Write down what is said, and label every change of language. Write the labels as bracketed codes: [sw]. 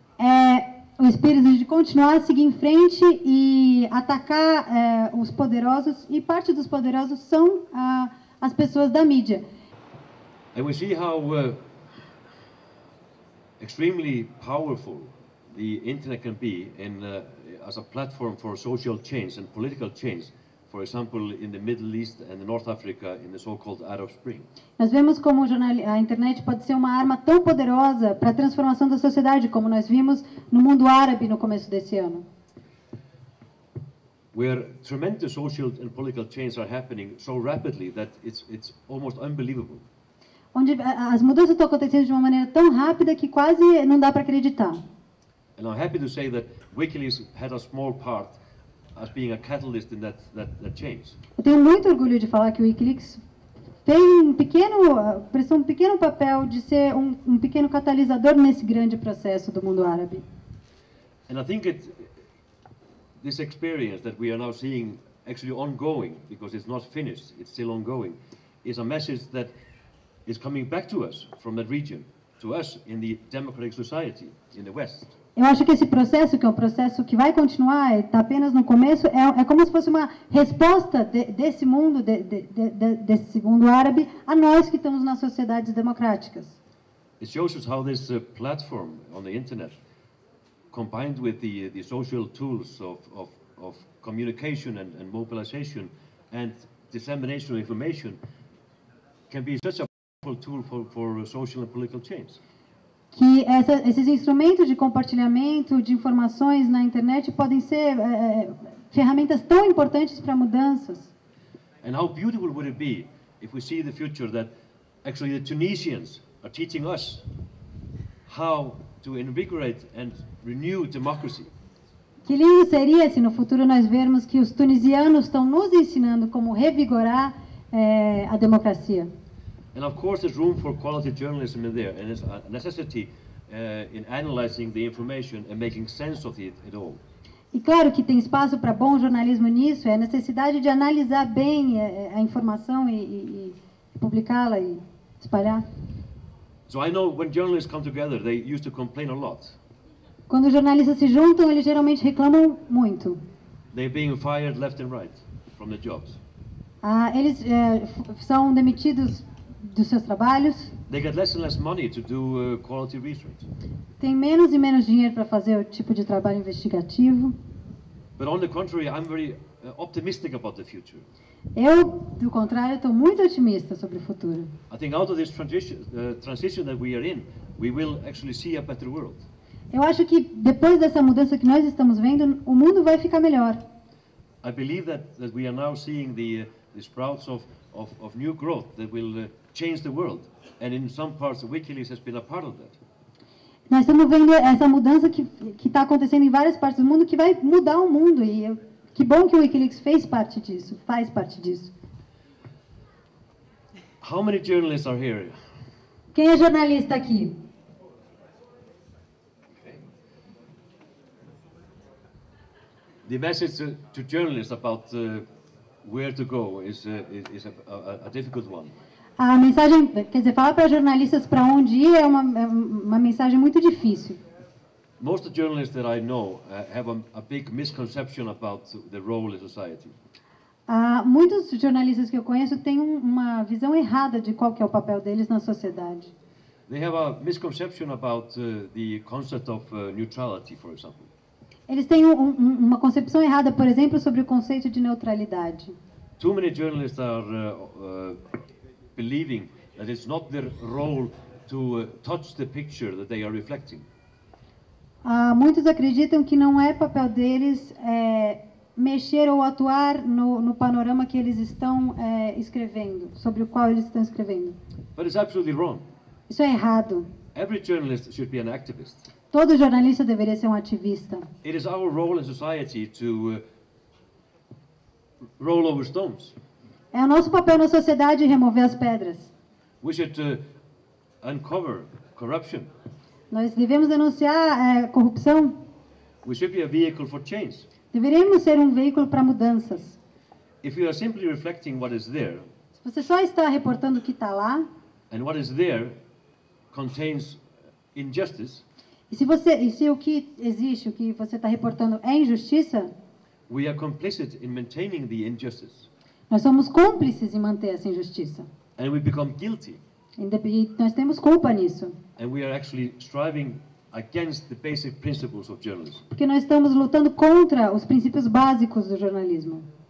[pt] O espírito de continuar a seguir em frente e atacar os poderosos, e parte dos poderosos são as pessoas da mídia. [en] And we see how extremely powerful the internet can be in as a platform for social change and political change. For example, in the Middle East and North Africa, in the so-called Arab Spring. [pt] Nós vemos como a internet pode ser uma arma tão poderosa para a transformação da sociedade, como nós vimos no mundo árabe no começo desse ano. [en] Where tremendous social and political changes are happening so rapidly that it's almost unbelievable. [pt] Onde as mudanças estão acontecendo de uma maneira tão rápida que quase não dá para acreditar. [en] And I'm happy to say that WikiLeaks had a small part as being a catalyst in that change. [pt] Eu tenho muito orgulho de falar que o WikiLeaks tem um pequeno papel de ser um pequeno catalisador nesse grande processo do mundo árabe. [en] And I think this experience that we are now seeing actually ongoing, because it's not finished, it's still ongoing, is a message that is coming back to us from that region, to us in the democratic society in the West. [pt] Eu acho que esse processo, que é um processo que vai continuar, está apenas no começo, é como se fosse uma resposta desse mundo, desse mundo árabe, a nós que estamos nas sociedades democráticas. [en] It shows us how this platform on the internet, combined with the social tools of communication and mobilization and dissemination of information, can be such a powerful tool for social and political change. [pt] Que esses instrumentos de compartilhamento de informações na internet podem ser ferramentas tão importantes para mudanças. [en] And how beautiful would it be if we see the future that actually the Tunisians are teaching us how to invigorate and renew democracy. [pt] Que lindo seria se no futuro nós vermos que os tunisianos estão nos ensinando como revigorar a democracia. [en] And of course, there's room for quality journalism in there, and it's a necessity in analyzing the information and making sense of it at all. [pt] E claro que tem espaço para bom jornalismo nisso, é a necessidade de analisar bem a informação e publicá-la e espalhar. [en] So I know when journalists come together, they used to complain a lot. [pt] Quando os jornalistas se juntam, eles geralmente reclamam muito. [en] They're being fired left and right from their jobs. [pt] Eles são demitidos dos seus trabalhos. [en] They get less and less money to do quality research. [pt] Tem menos e menos dinheiro para fazer o tipo de trabalho investigativo. [en] But on the contrary, I'm very optimistic about the future. [pt] Eu, do contrário, estou muito otimista sobre o futuro. [en] I think out of this transition that we are in, we will actually see a better world. [pt] Eu acho que depois dessa mudança que nós estamos vendo, o mundo vai ficar melhor. [en] I believe that we are now seeing the sprouts of new growth that will change the world, and in some parts, WikiLeaks has been a part of that. [pt] Nós estamos vendo essa mudança que está acontecendo em várias partes do mundo que vai mudar o mundo, e que bom que o WikiLeaks faz parte disso. [en] How many journalists are here? [pt] Quem é jornalista aqui? [en] The message to journalists about where to go is a difficult one. [pt] A mensagem, quer dizer, falar para jornalistas para onde ir é uma mensagem muito difícil. [en] Most journalists that I know have a big misconception about the role in society. [pt] Muitos jornalistas que eu conheço têm uma visão errada de qual que é o papel deles na sociedade. [en] They have a misconception about the concept of neutrality, for example. [pt] Eles têm uma concepção errada, por exemplo, sobre o conceito de neutralidade. [en] Too many journalists are believing that it's not their role to touch the picture that they are reflecting. [pt] Muitos acreditam que não é papel deles mexer ou atuar no panorama que eles estão escrevendo, sobre o qual eles estão escrevendo. [en] But it's absolutely wrong. [pt] Isso é errado. [en] Every journalist should be an activist. [pt] Todo jornalista deveria ser um ativista. [en] It is our role in society to roll over stones. [pt] É o nosso papel na sociedade remover as pedras. [en] We should uncover corruption. [pt] Nós devemos denunciar corrupção. [en] We should be a vehicle for change. [pt] Deveríamos ser um veículo para mudanças. [en] If you are simply reflecting what is there, [pt] se você só está reportando o que está lá, [en] and what is there contains injustice, [pt] e se o que existe, o que você está reportando é injustiça, [en] we are complicit in maintaining the injustice. [pt] Nós somos cúmplices em manter essa injustiça. [en] And we become guilty. [pt] E nós temos culpa nisso. [en] And we are actually striving against the basic principles of journalism. [pt] Porque nós estamos lutando contra os princípios básicos do jornalismo.